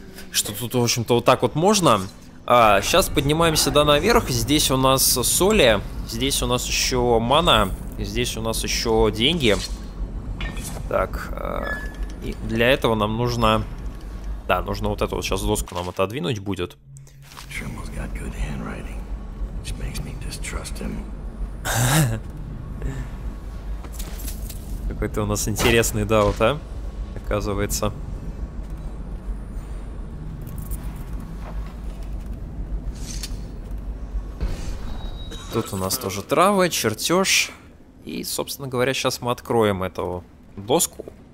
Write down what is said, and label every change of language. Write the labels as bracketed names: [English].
[Russian] Что тут, в общем-то, вот так вот можно. А, сейчас поднимаемся, да, наверх. Здесь у нас соли. Здесь у нас еще мана. Здесь у нас еще деньги. Так. И для этого нам нужно... Да, нужно вот эту вот сейчас доску нам отодвинуть будет. [English] Trimble's got good handwriting, which makes me distrust him. [Russian] Какой-то у нас интересный Dowd, а? Оказывается. Тут у нас тоже травы, чертеж. И, собственно говоря, сейчас мы откроем эту доску.